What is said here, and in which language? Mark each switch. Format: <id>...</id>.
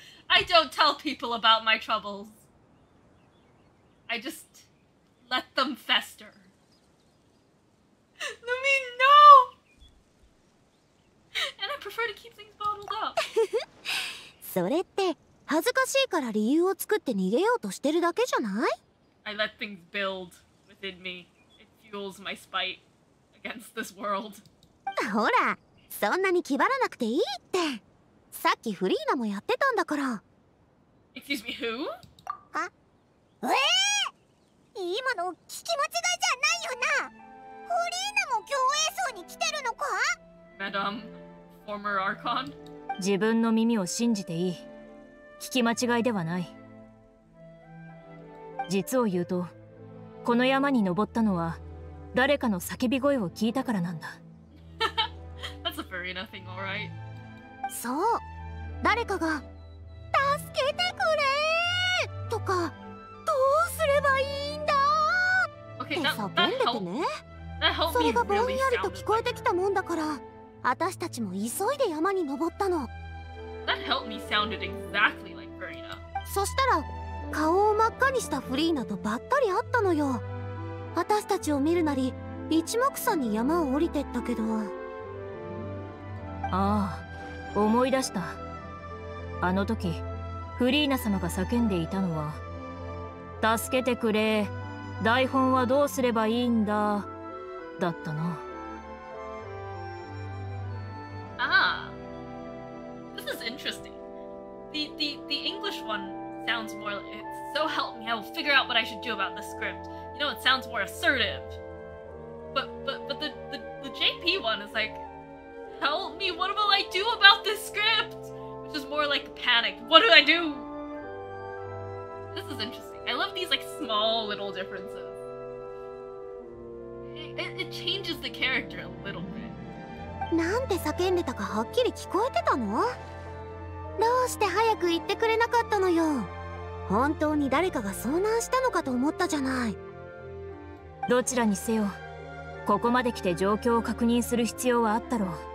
<en>I don't tell people about my troubles. I just let them fester. No, I mean, no! And I prefer to keep things bottled up.</en> <ja>それって恥ずかしいから理由を作って逃げようとしてるだけじゃない？</ja> <en>I let things build within me. It fuels my spite against this world.</en> <ja>ほら、そんなに気張らなくていいって。さっきフリーナもやってたんだから。</ja> <en>Excuse me, who?</en> <ja>は？今の聞き間違いじゃないよな。フリーナも共栄層に来てるのか？</ja> <en>マダム、フォーマーアーカン。</en> <ja>自分の耳を信じていい。聞き間違いではない。実を言うと、この山に登ったのは誰かの叫び声を聞いたからなんだ。</ja> <en>That's a very nothing, all right.</en> <ja>そう、誰かが助けてくれとか、どうすればいいんだって叫んでてね。それがぼんやりと聞こえてきたもんだから、私たちも急いで山に登ったの。</ja> <en>That helped me sounded exactly like Verena.</en> <ja>そしたら、顔を真っ赤にしたフリーナとばったり会ったのよ。私たちを見るなり、一目散に山を降りてったけど。ああ、思い出した。あの時、フリーナ様が叫んでいたのは、助けてくれ、台本はどうすればいいんだ。だったな。</ja> <en>Ah, this is interesting. The English one sounds more like, so help me, I will figure out what I should do about the script. You know, it sounds more assertive. But the JP one is like, help me, what will I do about this script? Which is more like panic. What do I do? This is interesting. I love these like small little differences. It changes the character a little bit.</en> <ja>なんて叫んでたかはっきり聞こえてたの？どうして早く言ってくれなかったのよ。本当に誰かが遭難したのかと思ったじゃない。どちらにせよ、ここまで来て状況を確認する必要はあったろう。</ja>